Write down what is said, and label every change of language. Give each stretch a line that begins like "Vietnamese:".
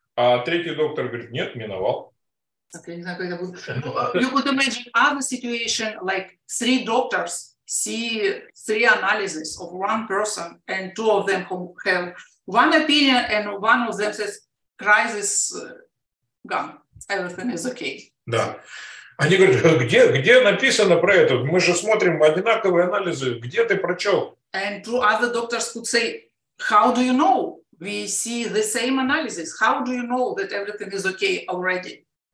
Russian: А третий доктор говорит, нет, миновал.
English: Okay, exactly. You could imagine other situation, like three doctors see three analyses of one person, and two of them have one opinion, and one of them says, crisis gone, everything is okay.
Russian: Да. Они говорят, где написано про это? Мы же смотрим одинаковые анализы. Где ты прочел?
English: And two other doctors could say, how do you know? We see the same analysis. How do you know that everything is okay already?